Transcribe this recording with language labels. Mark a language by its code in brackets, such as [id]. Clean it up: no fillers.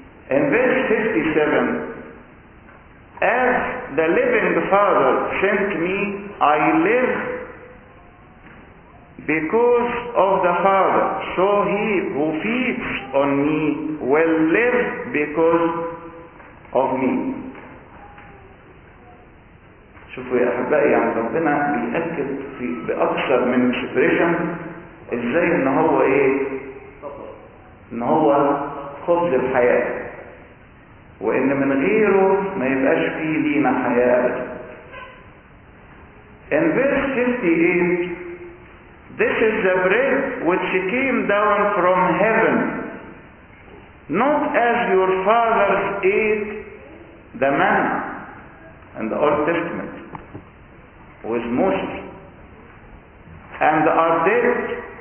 [en] In verse 57, as the living Father sent me, I live because of the Father. So he who feeds on me will live because of me. [ar] شوفوا يا أحبائي, يعني ربنا بيأكد في بأكثر من expression إزاي إن هو إن هو خبز الحياة, وإن من غيره ما يبقاش فيه لينا حياة. [en] In verse 58, this is the bread which came down from heaven, not as your fathers ate the manna in the Old Testament with Moses and are dead.